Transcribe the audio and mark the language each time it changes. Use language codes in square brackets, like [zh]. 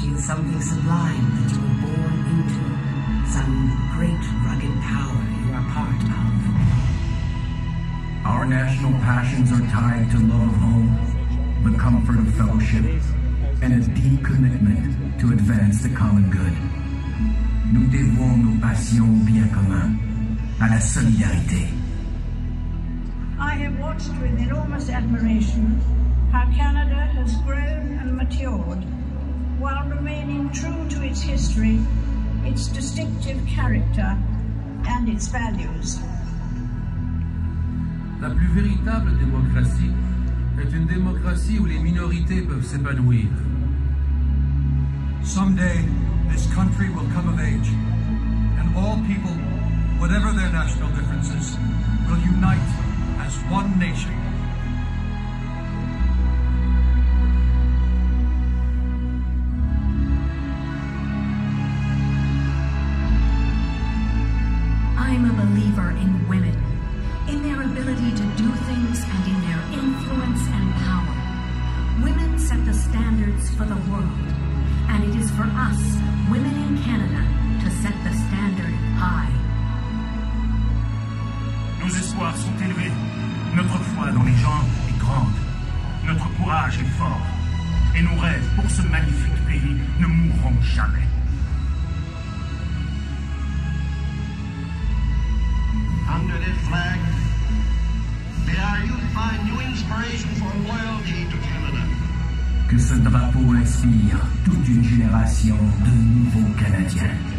[en] Feel something sublime that you were born into, some great rugged power you are part of. Our national passions are tied to love of home, the comfort of fellowship, and a deep commitment to advance the common good. [fr] Nous devons nos passions bien commun à la solidarité. [en] I have watched with enormous admiration how Canada has grown and matured while remaining true to its history, its distinctive character, and its values. [fr] La plus véritable démocratie est une démocratie où les minorités peuvent s'épanouir. [en] Someday, this country will come of age, and all people, whatever their national differences, will unite as one nation. I'm a believer in women, in their ability to do things and in their influence and power. Women set the standards for the world, and it is for us, women in Canada, to set the standard high. [fr] Nos espoirs sont élevés. Notre foi dans les gens est grande. Notre courage est fort. Et nos rêves pour ce magnifique pays ne mourront jamais. [en] Under this flag, may you find new inspiration for loyalty to Canada. [fr] Que ce drapeau inspire toute une génération de nouveaux Canadiens.